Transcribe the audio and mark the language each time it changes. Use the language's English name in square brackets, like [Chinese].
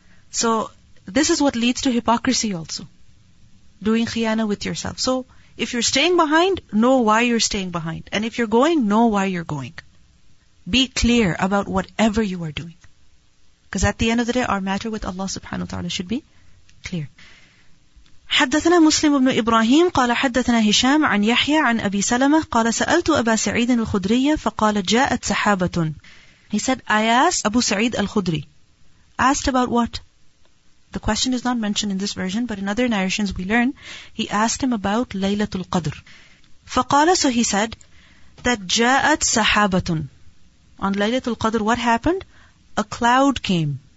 [English] So this is what leads to hypocrisy also. Doing khiyana with yourself. So if you're staying behind, know why you're staying behind. And if you're going, know why you're going. Be clear about whatever you are doing. Because at the end of the day, our matter with Allah subhanahu wa ta'ala should be clear. [Arabic] حدثنا مسلم بن إبراهيم قال حدثنا هشام عن يحيى عن أبي سلمة قال سألت أبا سعيد الخدري فقال جاءت سحابة. [English] He said, I asked Abu Sa'id al-Khudri. Asked about what? The question is not mentioned in this version, but in other narrations we learn, he asked him about Laylatul Qadr. [Arabic] فَقَالَ, [English] so he said, that [Arabic] جَاءَتْ سَحَابَةٌ. [English] On Laylatul Qadr, what happened? A cloud came.